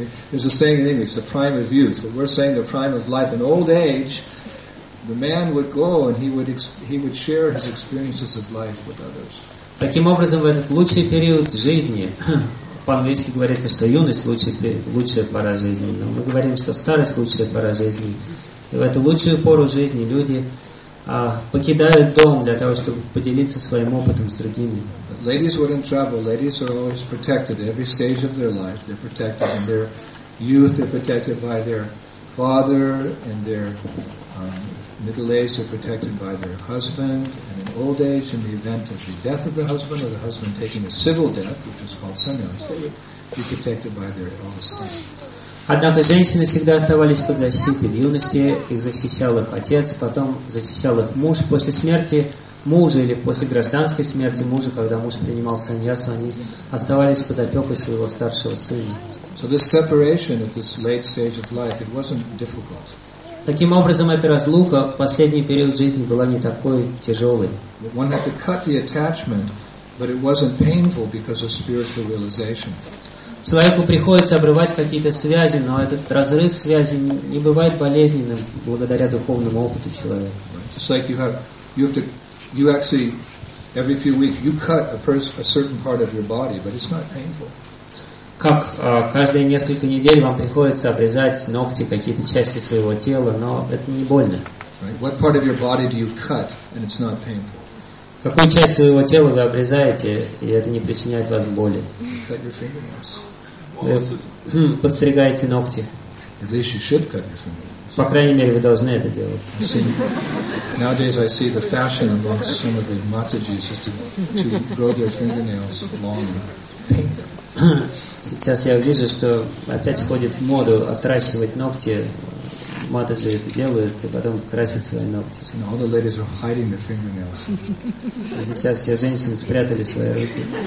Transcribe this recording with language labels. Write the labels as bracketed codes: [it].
[en] There's a saying in English, the prime of youth. But we're saying the prime of life. In old age, the man would go and he would share his experiences of life with others. [ru] Таким образом, в этот лучший период жизни. По-английски говорится, что юность — лучшая пора жизни. Но мы говорим, что старость — лучшая пора жизни. И в эту лучшую пору жизни люди покидают дом для того, чтобы поделиться своим опытом с другими. [en] Ladies were in trouble. Ladies are always protected at every stage of their life. They're protected in their youth. They're protected by their father. In their middle age, they're protected by their husband. And in old age, in the event of the death of the husband, or the husband taking a civil death, which is called sannyas, they would be protected by their eldest son. [ru] Однако женщины всегда оставались под защитой. В юности их защищал их отец, потом защищал их муж. После смерти мужа или после гражданской смерти мужа, когда муж принимал саньясу, они оставались под опекой своего старшего сына. [en] So this separation at this late stage of life, it wasn't difficult. [ru] Таким образом, эта разлука в последний период жизни была не такой тяжелой. [en] One had to cut the attachment, but it wasn't painful because of spiritual realization. [ru] Человеку приходится обрывать какие-то связи, но этот разрыв связи не бывает болезненным благодаря духовному опыту человека. [en] Just like you actually every few weeks you cut a certain part of your body, but it's not painful. [ru] Как каждые несколько недель вам приходится обрезать ногти, какие-то части своего тела, но это не больно. [en] Right. What part of your body do you cut and it's not painful? [ru] Какую часть своего тела вы обрезаете, и это не причиняет вам боли? [en] Cut your fingernails. [ru] Подстригаете ногти. [en] At least you should cut your fingernails. [ru] По крайней мере, вы должны это делать. [en] Nowadays I see the fashion among some of the Matajis is to grow their fingernails longer. [ru] Сейчас я вижу, что опять входит в моду отращивать ногти. Матаджи это делают и потом красят свои ногти. [en] And all the ladies are hiding their fingernails. [ru] А сейчас все женщины спрятали свои руки.